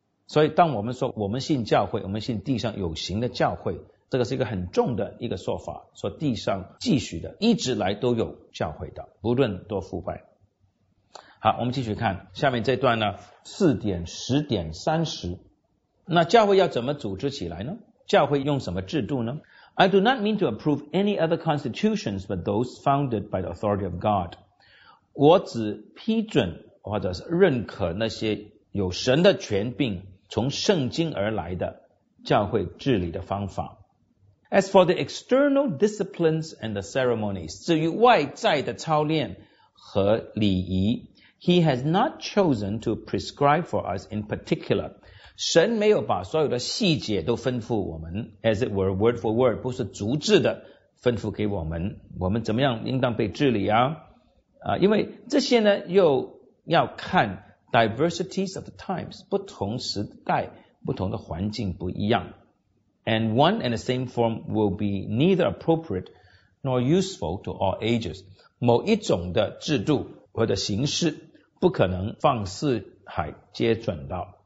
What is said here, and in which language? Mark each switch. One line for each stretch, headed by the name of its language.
Chinese: 所以当我们说我们信教会，我们信地上有形的教会，这个是一个很重的一个说法，说地上继续的一直来都有教会的，不论多腐败。好，我们继续看下面这段呢，4.10.30。那教会要怎么组织起来呢？教会用什么制度呢？
English: I do not mean to approve any other constitutions but those founded by the authority of God，
Chinese: 我只批准或者是认可那些有神的权柄从圣经而来的教会治理的方法。
English: As for the external disciplines and the ceremonies，
Chinese: 至于外在的操练和礼仪，
English: He has not chosen to prescribe for us in particular，
Chinese: 神没有把所有的细节都吩咐我们，
English: as it were word for word，
Chinese: 不是逐字的吩咐给我们我们怎么样应当被治理啊？因为这些呢又要看
English: diversities of the times，
Chinese: 不同时代不同的环境不一样，
English: and one and the same form will be neither appropriate nor useful to all ages，
Chinese: 某一种的制度或者形式不可能放四海皆准到。